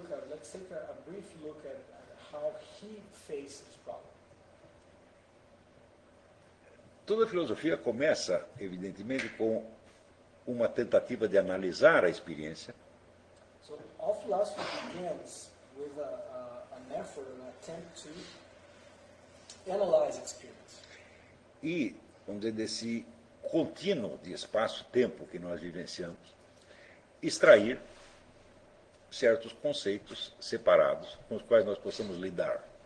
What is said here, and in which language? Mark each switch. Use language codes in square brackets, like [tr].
[en] Let's take a brief look at how he faced this problem. [pt] Toda a filosofia começa, evidentemente, com uma tentativa de analisar a experiência. [en] So, all philosophy begins with an effort, an attempt to analyze experience. [pt] E, vamos dizer, desse contínuo de espaço-tempo que nós vivenciamos, extrair certos conceitos separados com os quais nós possamos lidar.